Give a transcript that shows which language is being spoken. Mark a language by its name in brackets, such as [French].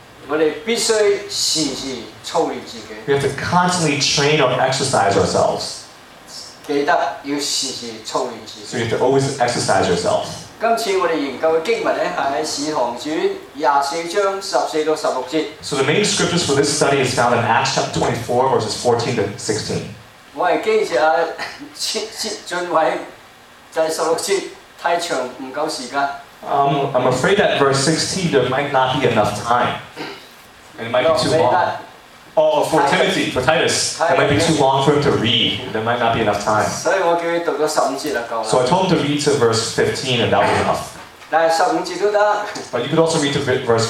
[English] We have to constantly train or exercise ourselves. So you have to always exercise yourself. [Cantonese] 今次我哋研究嘅经文咧，系喺《使徒行传》24:14-16。 [English] So the main scriptures for this study is found in Acts chapter 24, verses 14-16. [Cantonese] 我系记住阿俊伟第十六节太长，唔够时间。 [English] I'm afraid that verse 16 there might not be enough time, and it might be too long. Oh, for Timothy, for Titus, that might be too long for him to read. There might not be enough time. So I told him to read to verse 15 and that was enough. But you could also read to verse